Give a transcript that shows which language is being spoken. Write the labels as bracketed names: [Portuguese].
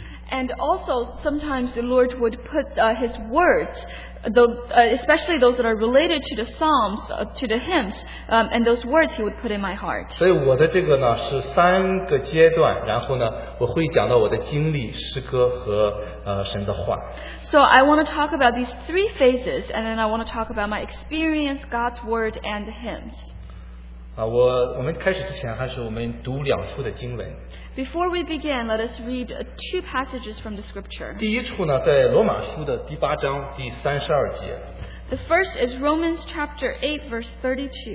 [English] And also, sometimes the Lord would put His words, especially those that are related to the Psalms, to the hymns, and those words He would put in my heart. [Chinese] 所以我的这个呢，是三个阶段，然后呢，我会讲到我的经历、诗歌和神的话。 [English] So I want to talk about these three phases, and then I want to talk about my experience, God's word, and the hymns. [Chinese] 我们开始之前还是我们读两处的经文。 [English] Before we begin, let us read two passages from the scripture. [Chinese] 第一处呢，在罗马书的第八章第32节。 [English] The first is Romans chapter 8 verse 32.